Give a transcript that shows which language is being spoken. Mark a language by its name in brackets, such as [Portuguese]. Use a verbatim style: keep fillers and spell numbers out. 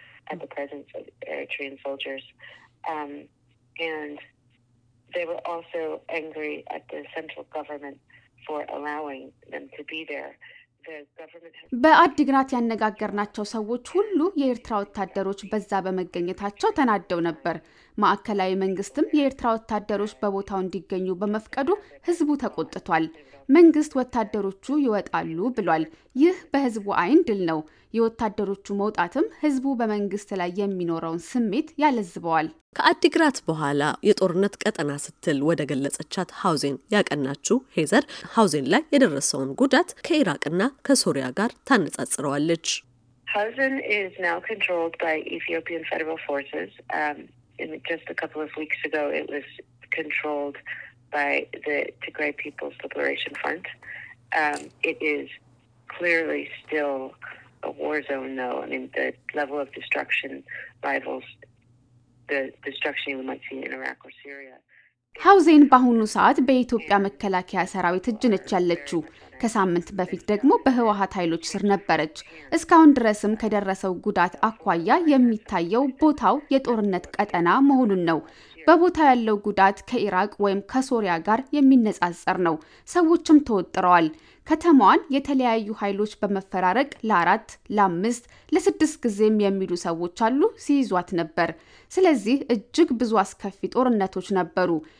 [English] at the presence of Eritrean soldiers. Um, and they were also angry at the central government for allowing them to be there. [Amharic] በአዲግራት ያነጋገርናቸው ሰዎች ሁሉ የኤርትራ ወታደሮች በዛ በመገኘታቸው ተናደው ነበር። ማዕከላዊ መንግስትም የኤርትራ ወታደሮች በቦታው እንዲገኙ በመፍቀዱ ህዝቡ ተቆጥቷል። መንግስት ወታደሮቹ ይወጣሉ ብሏል። ይህ በህዝቡ አይን ድል ነው። የወታደሮቹ መውጣትም ህዝቡ በመንግስት ላይ የሚኖረውን ስሜት ያለዝበዋል። ከአዲግራት በኋላ የጦርነት ቀጠና ስትል ወደ ገለጸቻት ሐውዜን ያቀናችው ሄዘር ሐውዜን ላይ የደረሰውን ጉዳት ከኢራቅና ከሶሪያ ጋር ታነጻጽራለች። [English] Hausen is now controlled by Ethiopian federal forces. Um, in just a couple of weeks ago it was controlled by the Tigray People's Liberation Front. Um, it is clearly still a war zone though. I mean the level of destruction rivals the destruction you might see in Iraq or Syria. [Amharic] ሐውዜን በአሁኑ ሰዓት በኢትዮጵያ መከላከያ ሰራዊት እጅ ነች ያለችው። ከሳምንት በፊት ደግሞ በህወሓት ኃይሎች ስር ነበረች። እስካሁን ድረስም ከደረሰው ጉዳት አኳያ የሚታየው ቦታው የጦርነት ቀጠና መሆኑን ነው። በቦታው ያለው ጉዳት ከኢራቅ ወይም ከሶሪያ ጋር የሚነጻጸር ነው። ሰዎችም ተወጥረዋል። ከተማዋን የተለያዩ ኃይሎች በመፈራረቅ ለአራት ለአምስት ለስድስት ጊዜም የሚሉ ሰዎች አሉ ሲይዟት ነበር። ስለዚህ እጅግ ብዙ አስከፊ ጦርነቶች ነበሩ።